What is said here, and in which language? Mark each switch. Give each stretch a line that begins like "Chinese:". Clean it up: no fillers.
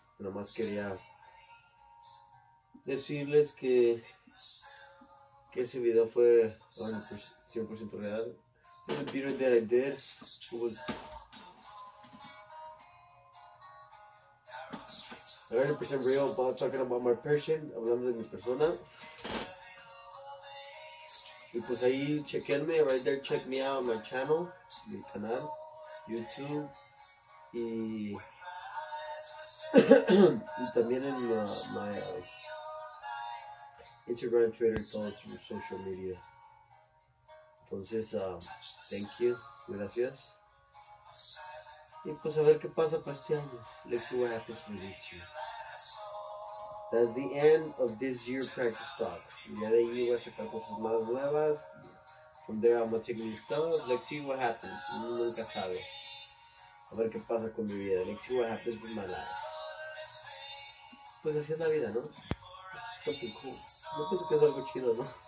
Spanish: Nomás quería decirles que ese video fue 100% real.
English: The video that I did was I'm 100% real about talking about my person,
Spanish: hablando de mi persona. Y pues ahí chequenme,
English: right there, check me out on my channel,
Spanish: mi canal, YouTube, y y también en my Instagram, Twitter, todos mis social media. Entonces,
English: thank you,
Spanish: gracias. Y pues a ver qué pasa para este año.
English: Let's see what happens for this year. That's the end of this year practice talk.
Spanish: Ya de ahí voy a sacar cosas más nuevas.
English: From there I'm gonna take new stuff. Let's see what happens.
Spanish: Uno nunca sabe. A ver qué pasa con mi vida.
English: Let's see what happens with my life.
Spanish: Pues así es la vida, ¿no?
English: Something cool.
Spanish: No pienso que es algo chido, ¿no?